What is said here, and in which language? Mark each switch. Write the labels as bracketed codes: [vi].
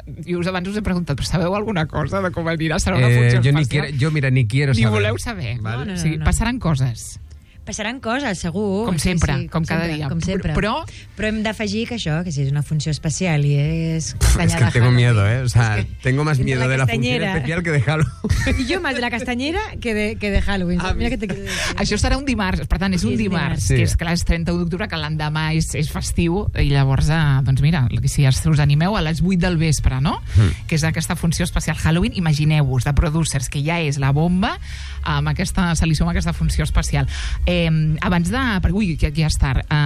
[ca] Jo abans us he preguntat, però sabeu alguna cosa de com anirà? Serà una funció especial? [es] Jo ni quiero saber. [ca] Ni voleu saber. No, vale. No. Sí, passaran coses. Passaran coses, segur. Com sempre, sí, com cada dia. Com sempre. Però hem d'afegir que això, que si és una funció especial i és... [es] És que tengo miedo, eh? O sea, tengo más miedo de la [ca] funció especial [es] que de Halloween. [ca] I jo [es] más de la castanyera que de Halloween. Mira que te... [ca] Això serà un dimarts, per tant, és un dimarts. Sí. Que és clar, és 31 d'octubre, que l'endemà és festiu, i llavors, doncs mira, si us animeu a les 8 del vespre, no? Que és aquesta funció especial Halloween, imagineu-vos, de Producers, que ja és la bomba, amb aquesta salició, amb aquesta funció especial. Abans de... Ui, ja és tard.